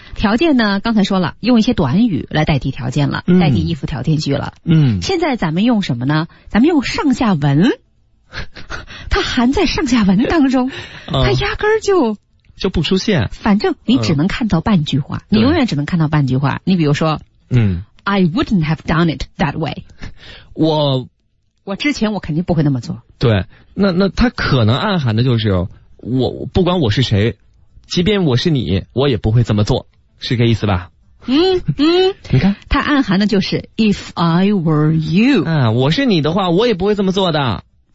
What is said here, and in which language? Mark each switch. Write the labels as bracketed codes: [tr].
[zh] 条件呢，刚才说了用一些短语来代替条件了，代替if条件句了。现在咱们用什么呢？咱们用上下文。它含在上下文当中。它压根儿就就不出现。反正你只能看到半句话，你永远只能看到半句话。你比如说， [en] I wouldn't have done it that way。 [zh] 我之前我肯定不会那么做。对，那他可能暗含的就是我不管我是谁，即便我是你，我也不会这么做，是这意思吧？你看，它暗含的就是 [en] if I were you。 [zh] 啊，我是你的话，我也不会这么做的。